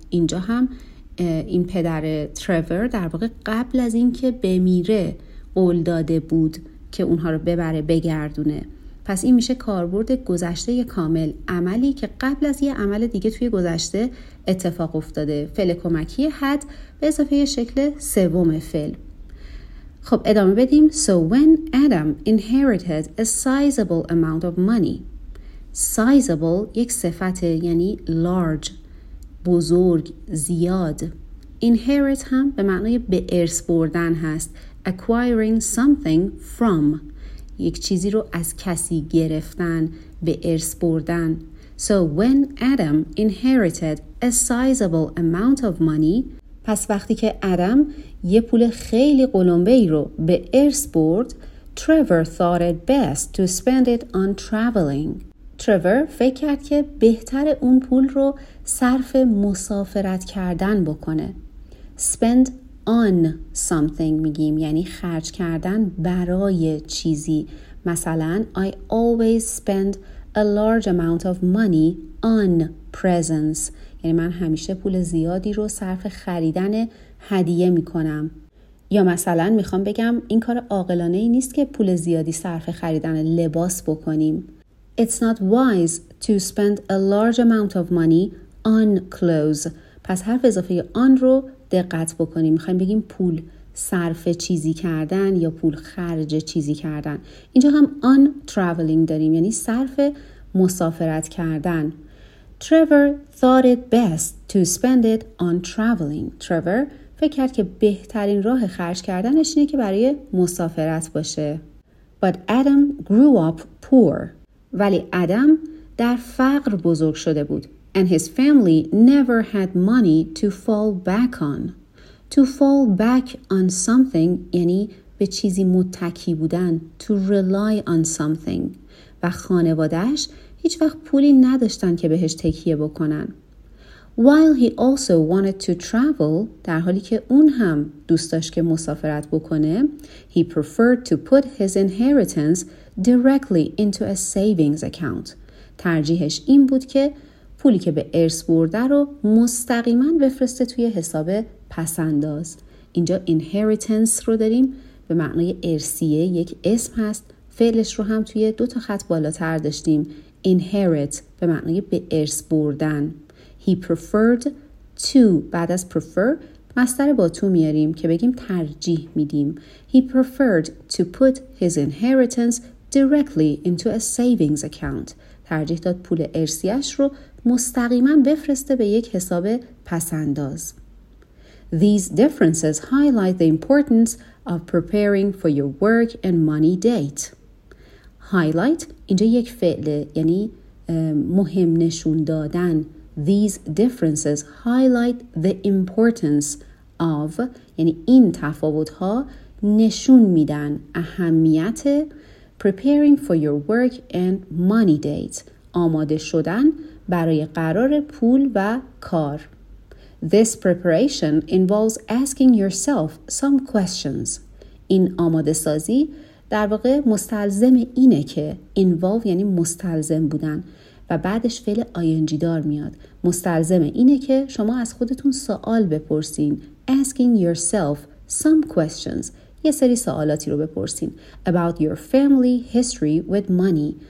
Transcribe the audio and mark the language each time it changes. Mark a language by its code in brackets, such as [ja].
[fa] اینجا هم این پدر تریور در واقع قبل از این که بمیره قول داده بود که اونها رو ببره بگردونه. پس این میشه کاربرد گذشته کامل، عملی که قبل از یه عمل دیگه توی گذشته اتفاق افتاده. فعل کمکی had به اضافه یه شکل سوم فعل. خب ادامه بدیم. [en] So when Adam inherited a sizable amount of money. [fa] Sizable یک صفته، یعنی large، بزرگ، زیاد. Inherit هم به معنی به ارث بردن هست. [en] Acquiring something from، [fa] یک چیزی رو از کسی گرفتن، به ارث بردن. [en] So when Adam inherited a sizable amount of money، [fa] پس وقتی که آدم یه پول خیلی قلمبه‌ای رو به ارث برد، [en] Trevor thought it best to spend it on traveling. [fa] Trevor فکر کرد که بهتر اون پول رو صرف مسافرت کردن بکنه. Spend on something میگیم، یعنی خرج کردن برای چیزی. [en] مثلا I always spend a large amount of money on presents، [fa] یعنی من همیشه پول زیادی رو صرف خریدن هدیه میکنم. یا مثلا میخوام بگم این کار عاقلانه ای نیست که پول زیادی صرف خریدن لباس بکنیم. [en] It's not wise to spend a large amount of money on clothes. [fa] پس حرف اضافه آن رو دقت بکنیم. میخواییم بگیم پول صرف چیزی کردن یا پول خرج چیزی کردن. اینجا هم on traveling داریم، یعنی صرف مسافرت کردن. [en] Trevor thought it best to spend it on traveling. [fa] Trevor فکر کرد که بهترین راه خرج کردنش اینه که برای مسافرت باشه. [en] But Adam grew up poor. [fa] ولی آدم در فقر بزرگ شده بود. [en] And his family never had money to fall back on. [fa] To fall back on something یعنی به چیزی متکی بودن. [en] To rely on something. [fa] و خانوادهش هیچ وقت پولی نداشتن که بهش تکیه بکنن. [en] While he also wanted to travel، [fa] در حالی که اون هم دوست داشت که مسافرت بکنه، [en] he preferred to put his inheritance directly into a savings account. [fa] ترجیحش این بود که پولی که به ارث برده رو مستقیما بفرسته توی حساب پسنداز. اینجا inheritance رو داریم، به معنای ارثیه، یک اسم هست. فعلش رو هم توی دو تا خط بالاتر داشتیم. Inherit به معنای به ارث بردن. He preferred to، بعد از prefer مصدر با تو میاریم که بگیم ترجیح میدیم. [en] He preferred to put his inheritance directly into a savings account. [fa] ترجیح داد پول ارثیش رو مستقیما بفرسته به یک حساب پسنداز. [en] These differences highlight the importance of preparing for your work and money date. [fa] Highlight اینجا یک فعله، یعنی مهم نشون دادن. [en] These differences highlight the importance of، [fa] یعنی این تفاوت‌ها نشون میدن اهمیت [en] preparing for your work and money date، [fa] آماده شدن برای قرار پول و کار. [en] This preparation involves asking yourself some questions. [fa] این آماده سازی در واقع مستلزم اینه که، involve یعنی مستلزم بودن و بعدش فعل ing دار میاد، مستلزم اینه که شما از خودتون سوال بپرسین. [en] Asking yourself some questions، [fa] یه سری سوالاتی رو بپرسین. [en] About your family history with money،